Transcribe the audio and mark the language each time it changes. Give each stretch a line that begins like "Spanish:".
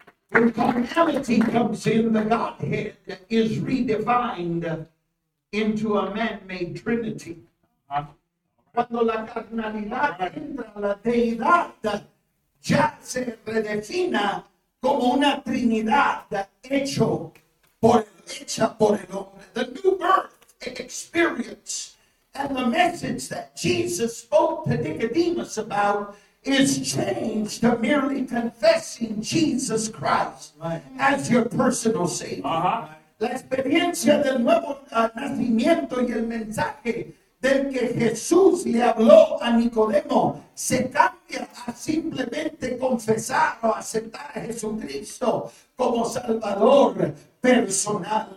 English: When carnality comes in, the Godhead is redefined into a man-made trinity.
Spanish: Cuando la carnalidad entra a la deidad, ya se redefina como una trinidad hecha por el hombre.
English: The new birth experience and the message that Jesus spoke to Nicodemus about is changed to merely confessing Jesus Christ as your personal Savior.
Spanish: La experiencia del nuevo nacimiento y el mensaje del que Jesús le habló a Nicodemo se cambia a simplemente confesar o aceptar a Jesucristo como Salvador personal.